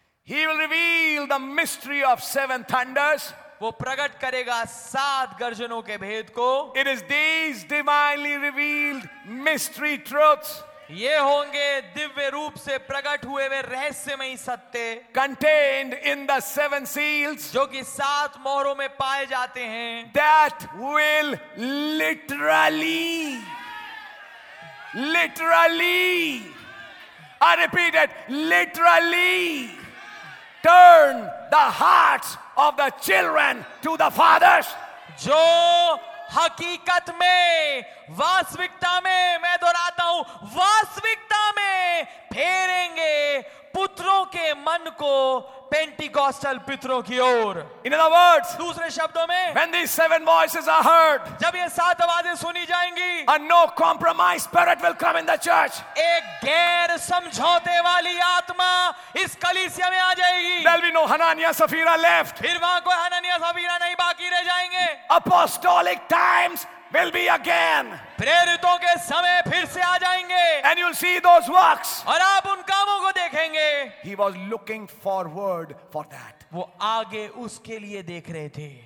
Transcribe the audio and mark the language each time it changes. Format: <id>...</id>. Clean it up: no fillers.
<en>He will reveal the mystery of 7 thunders.</en> <hi>वो प्रकट करेगा 7 गर्जनों के भेद को.</hi> <en>It is these divinely revealed mystery truths.</en> <hi>ये होंगे दिव्य रूप से प्रकट हुए वे रहस्यमय सत्य.</hi> <en>Contained in the 7 seals.</en> <hi>जो कि 7 मोहरों में पाए जाते हैं.</hi> <en>That will literally, I repeat it, literally turn the hearts of the children to the fathers.</en> <hi>जो हकीकत में, वास्तविकता में, मैं दोहराता हूं, वास्तविकता में फेरेंगे पुत्रों के मन को पेंटिकॉस्टल पितरों की ओर.</hi> <en>in other words,</en> <hi>दूसरे शब्दों में,</hi> <en>when the 7 voices are heard,</en> <hi>जब ये 7 आवाजें सुनी जाएंगी,</hi> <en>A no compromise spirit will come in the church.</en> <hi>एक गैर समझौते वाली आत्मा इस कलीसिया में आ जाएगी.</hi> <en>There will be no Ananias Sapphira left.</en> <hi>फिर वहां कोई हनानिया सफीरा नहीं बाकी रह जाएंगे.</hi> <en>Apostolic times will be again.</en> <hi>प्रेरितों के समय फिर से आ जाएंगे.</hi> <en>And you'll see those works.</en> <hi>और आप उन कामों को देखेंगे.</hi> <en>He was looking forward for that.</en> <hi>वो आगे उसके लिए देख रहे थे.</hi>